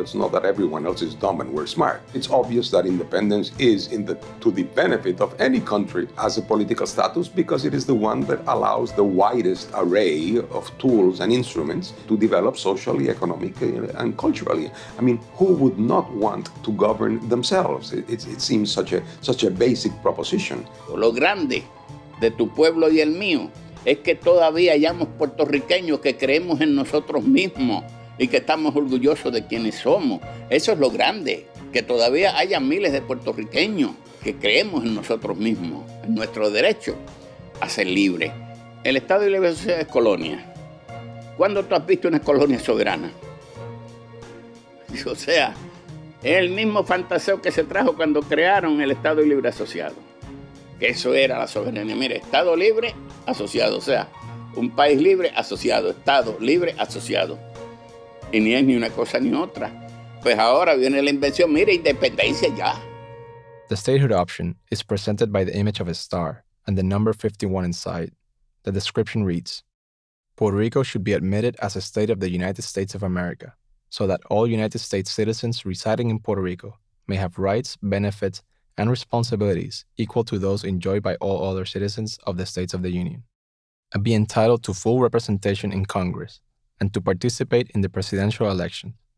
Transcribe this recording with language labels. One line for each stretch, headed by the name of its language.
English: It's not that everyone else is dumb and we're smart. It's obvious that independence is to the benefit of any country as a political status, because it is the one that allows the widest array of tools and instruments to develop socially, economically, and culturally. I mean, who would not want to govern themselves? It seems such a basic proposition.
Spanish: Lo grande de tu pueblo y el mío, es que todavía hayamos puertorriqueños que creemos en nosotros mismos y que estamos orgullosos de quienes somos. Eso es lo grande, que todavía haya miles de puertorriqueños que creemos en nosotros mismos, en nuestro derecho a ser libres. El Estado de Libre Asociación es colonia. ¿Cuándo tú has visto una colonia soberana? O sea, es el mismo fantaseo que se trajo cuando crearon el Estado de Libre Asociado. Eso era la soberanía. Mire, Estado libre, asociado. O sea, un país libre, asociado. Estado libre, asociado. Y ni es ni una cosa ni otra. Pues ahora viene la invención. Mire, independencia ya.
English: The statehood option is presented by the image of a star and the number 51 inside. The description reads, Puerto Rico should be admitted as a state of the United States of America so that all United States citizens residing in Puerto Rico may have rights, benefits, and responsibilities equal to those enjoyed by all other citizens of the States of the Union, and be entitled to full representation in Congress and to participate in the presidential election.